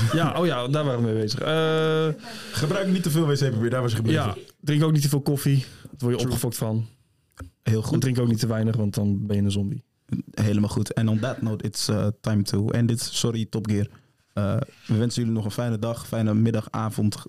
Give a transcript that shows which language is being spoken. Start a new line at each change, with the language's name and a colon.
Dutch: Ja, oh ja, daar waren we mee bezig. Gebruik niet te veel wc-papier, daar was je gebleven. Ja, drink ook niet te veel koffie. Daar word je opgefokt van. Heel goed. En drink ook niet te weinig, want dan ben je een zombie. Helemaal goed. En
English: on that note, it's time to end it. Sorry, Top Gear.
Dutch: We wensen jullie nog een fijne dag, fijne middag, avond.